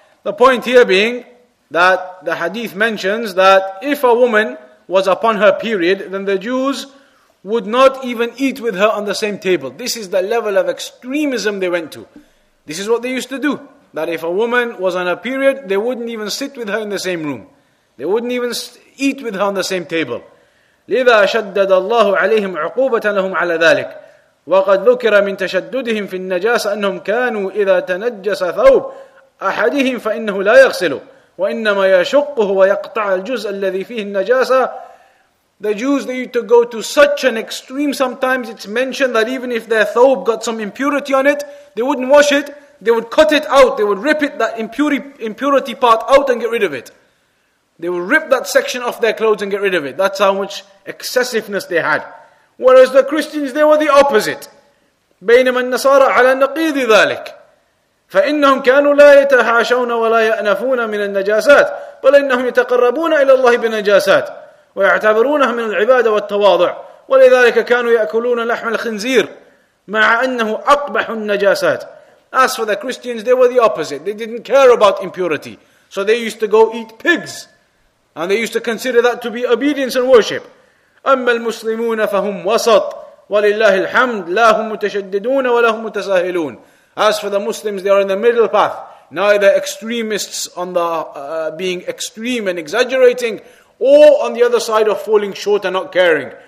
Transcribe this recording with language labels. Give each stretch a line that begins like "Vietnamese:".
English: The point here being that the hadith mentions that if a woman was upon her period, then the Jews would not even eat with her on the same table. This is the level of extremism they went to. This is what they used to do. That if a woman was on her period, they wouldn't even sit with her in the same room. They wouldn't even eat with her on the same table.
Arabic: لذا شدد الله عليهم عقوبة لهم على ذلك وقد ذكر من تشددهم في النجاسة أنهم كانوا إذا تنجس ثوب أحدهم فإنه لا يغسله وإنما يشقه ويقطع الجزء الذي فيه النجاسة.
English: The Jews, they used to go to such an extreme. Sometimes it's mentioned that even if their thawb got some impurity on it, they wouldn't wash it, they would cut it out, they would rip it, that impurity part out, and get rid of it. They will rip that section off their clothes and get rid of it. That's how much excessiveness they had. Whereas the Christians, they were the opposite.
Arabic: بينما النصارى على نقيض ذلك فإنهم كانوا لا يتحاشون ولا يأنفون من النجاسات بل إنهم يتقربون إلى الله بالنجاسات ويعتبرونها من العبادة والتواضع ولذلك كانوا يأكلون لحم الخنزير مع أنه أقبح النجاسات.
English: As for the Christians, they were the opposite. They didn't care about impurity. So they used to go eat pigs. And they used to consider that to be obedience and worship.
Arabic: أَمَّا الْمُسْلِمُونَ فَهُمْ وَسَطْ وَلِلَّهِ الْحَمْدُ لَا هُمْ مُتَشَدِّدُونَ وَلَا هُمْ مُتَسَاهِلُونَ.
English: As for the Muslims, they are in the middle path. Neither extremists on the being extreme and exaggerating, or on the other side of falling short and not caring.